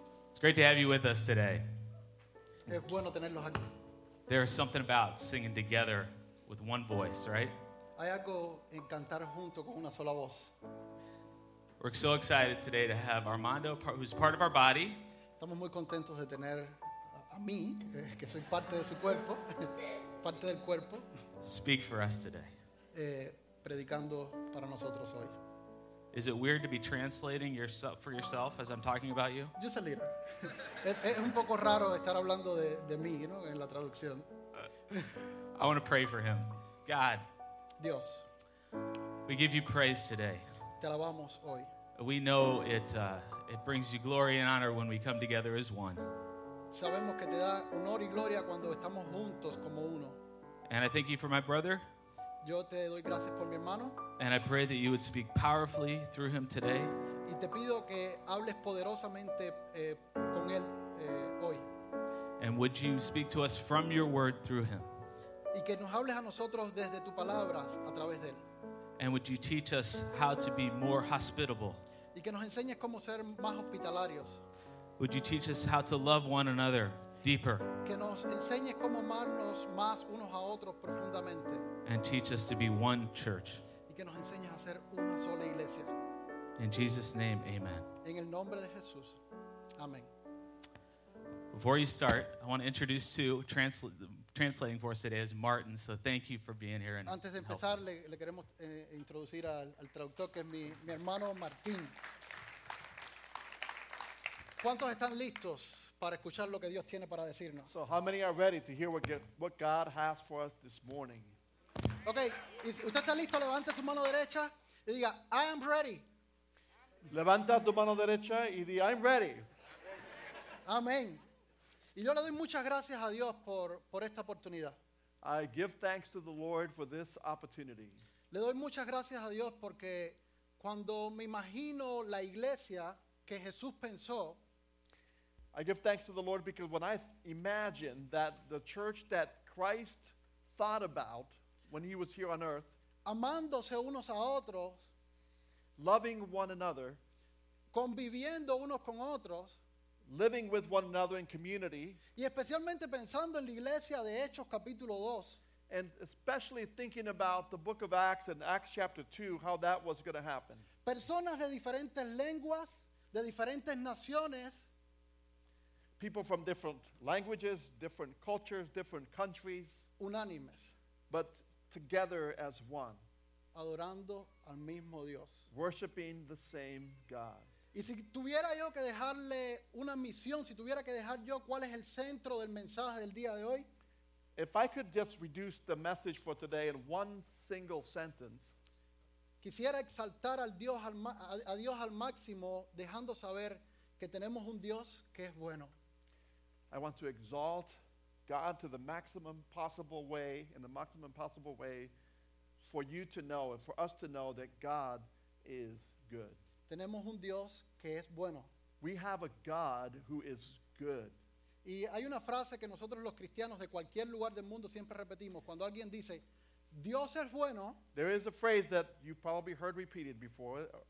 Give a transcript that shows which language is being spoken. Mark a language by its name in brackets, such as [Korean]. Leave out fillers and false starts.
[English] It's great to have you with us today. [Spanish] Es bueno tenerlos aquí. [English] There is something about singing together with one voice, right? [Spanish] Hay algo en cantar junto con una sola voz. [English] We're so excited today to have Armando, who's part of our body. [Spanish] Estamos muy contentos de tener a mí, que soy parte de su cuerpo, parte del cuerpo. [English] Speak for us today. [Spanish] Predicando para nosotros hoy. [English] Is it weird to be translating yourself for yourself as I'm talking about you? Just a little. [Spanish] Es un poco raro estar hablando de mí, ¿no? En la traducción. [English] I want to pray for him. God. [Spanish] Dios. [English] We give you praise today. [Spanish] Te alabamos hoy. [English] We know it brings you glory and honor when we come together as one. [Spanish] Sabemos que te da honor y gloria cuando estamos juntos como uno. [English] And I thank you for my brother. [Spanish] Yo te doy gracias por mi hermano. [English] And I pray that you would speak powerfully through him today. [Spanish] Y te pido que hables poderosamente con él hoy. [English] And would you speak to us from your word through him? [Spanish] Y que nos hables a nosotros desde tu palabra a través de él. [English] And would you teach us how to be more hospitable? [Spanish] Y que nos enseñes cómo ser más hospitalarios. [English] Would you teach us how to love one another deeper? [Spanish] Que nos enseñes cómo amarnos más unos a otros profundamente. [English] And teach us to be one church. [Spanish] Y que nos enseñes a ser una sola iglesia. [English] In Jesus' name, amen. [Spanish] En el nombre de Jesús, amén. [English] Before you start, I want to introduce Sue, translating for us today is Martin. So thank you for being here. And [Spanish] antes de empezar, le queremos introducir al traductor que es mi hermano Martín. ¿Cuántos están listos para escuchar lo que Dios tiene para decirnos? [English] So how many are ready to hear what God has for us this morning? [Spanish] Okay, y si usted está listo, levante su mano derecha y diga, [English] I am ready. [Spanish] Levanta tu mano derecha y di, [English] I'm ready. [Spanish] Amén. Y yo le doy muchas gracias a Dios por esta oportunidad. [English] I give thanks to the Lord for this opportunity. [Spanish] Le doy muchas gracias a Dios porque cuando me imagino la iglesia que Jesús pensó, [English] I give thanks to the Lord because when I imagine that the church that Christ thought about when he was here on earth, [Spanish] amándose unos a otros, [English] loving one another, [Spanish] conviviendo unos con otros, [English] living with one another in community, [Spanish] y especialmente pensando en la iglesia de Hechos capítulo 2, [English] and especially thinking about the book of Acts and Acts chapter 2, how that was going to happen. [Spanish] Personas de diferentes lenguas, de diferentes naciones, [English] people from different languages, different cultures, different countries, [Spanish] unánimes, [English] but together as one, [Spanish] adorando al mismo Dios, [English] worshiping the same God. [Spanish] Y si tuviera yo que dejarle una misión, si tuviera que dejar yo cuál es el centro del mensaje del día de hoy, [English] if I could just reduce the message for today in one single sentence, [Spanish] quisiera exaltar a Dios al máximo, dejando saber que tenemos un Dios que es bueno. [English] I want to exalt God to the maximum possible way, in the maximum possible way, for you to know and for us to know that God is good. [Spanish] Tenemos un Dios que es bueno. [English] We have a God who is good. [Spanish] Y hay una frase que nosotros los cristianos de cualquier lugar del mundo siempre repetimos cuando alguien dice Dios es bueno. [English] There is a phrase that you've probably heard repeated before.